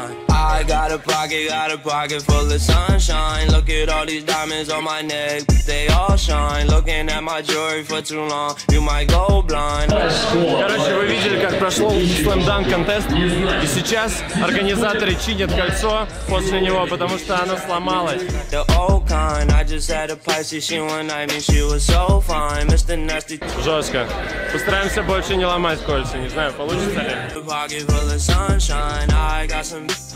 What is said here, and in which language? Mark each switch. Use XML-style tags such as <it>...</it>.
<en>I got a pocket, full of sunshine. Look at all these diamonds on my neck, they all shine. Looking at my jewelry for too long, you might go blind.</en> <ru>Короче, вы видели, как прошел Slam Dunk контест, и сейчас организаторы чинят кольцо после него, потому что оно сломалось.</ru> <en>The old kind, I just had a Pisces, she one night, and she was so fine. Mr. Nasty.</en> <ru>Жестко. Постараемся больше не ломать кольца, не знаю, получится ли.</ru> <en>The pocket full of sunshine, I got some.</en>